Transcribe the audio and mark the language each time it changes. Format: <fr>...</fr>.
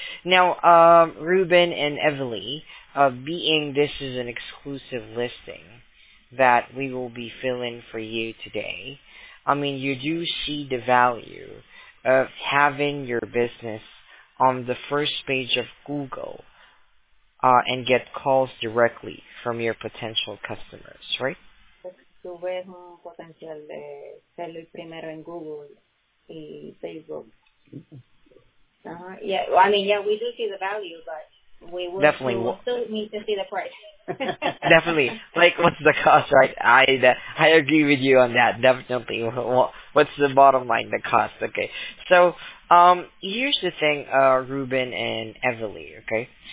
<en>Now, Ruben and Evely, being this is an exclusive listing that we will be filling for you today, I mean, you do see the value of having your business on the first page of Google, and get calls directly from your potential customers, right?</en> <es>Tú ves un potencial de ser el primero en Google y Facebook.</es> <en>We do see the value, but we will still need to see the price. Definitely. Like, what's the cost, right? I agree with you on that, definitely. What's the bottom line, the cost? Okay. So, here's the thing, Ruben and Evely, okay?</en>